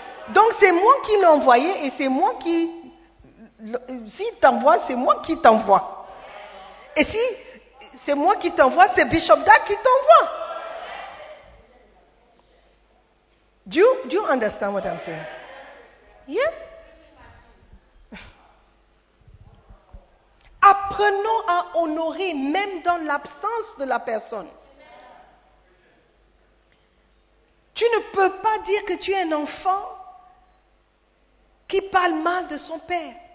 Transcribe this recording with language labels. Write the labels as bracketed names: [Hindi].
[French] Donc c'est moi qui l'ai envoyé et c'est moi qui... Si il t'envoie, c'est moi qui t'envoie. Et si... C'est moi qui t'envoie, c'est Bishop Dag qui t'envoie. [English] Do you understand what I'm saying? Yeah? [French] Apprenons à honorer même dans l'absence de la personne. Tu ne peux pas dire que tu es un enfant qui parle mal de son père.